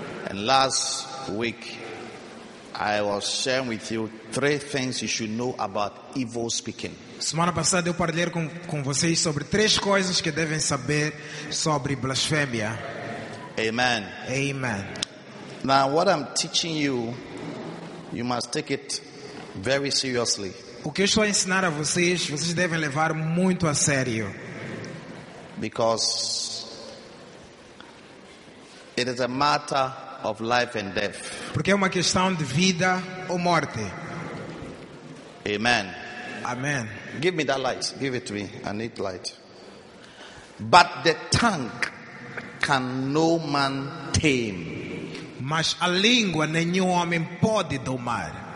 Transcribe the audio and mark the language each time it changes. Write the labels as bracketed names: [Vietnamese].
[English] And last week, I was sharing with you three things you should know about evil speaking. [Portuguese] Semana passada eu partilhei com vocês sobre três coisas que devem saber sobre blasfêmia. [English] Amen. Amen. Now what I'm teaching you, you must take it very seriously. [Portuguese] O que eu estou a ensinar a vocês, vocês devem levar muito a sério. [English] Because it is a matter of life and death. [Portuguese] Porque é uma questão de vida ou morte. [English] Amen. Amen. Give me that light. Give it to me. I need light. But the tongue can no man tame. [Portuguese] Mas a língua nenhum homem pode domar.